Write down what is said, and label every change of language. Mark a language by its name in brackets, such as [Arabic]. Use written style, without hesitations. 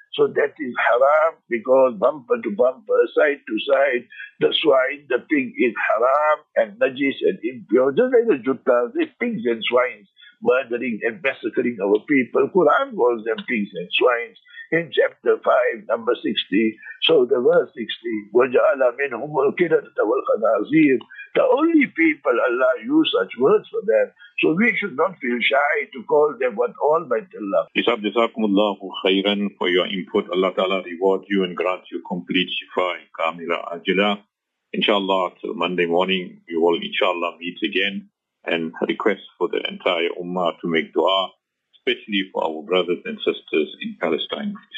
[English] So that is haram, because bumper to bumper, side to side, the swine, the pig is haram, and najis and impure. Just like the juttas, the pigs and swines. murdering and massacring our people. Quran calls them pigs and swines in chapter 5, number 60. So the verse 60, [Arabic] وَجَعَلَ مِنْهُمُ الْكِرَدَةَ وَالْخَنَازِيرَ. [English] The only people, Allah used such words for them. So we should not feel shy to call them what all might Allah. Isab, jazakum Allahu khayran for your input. Allah Ta'ala reward you and grant you complete shifa in kamila ajila. Inshallah, till Monday morning, we will inshallah meet again and request for the entire ummah to make dua, especially for our brothers and sisters in Palestine.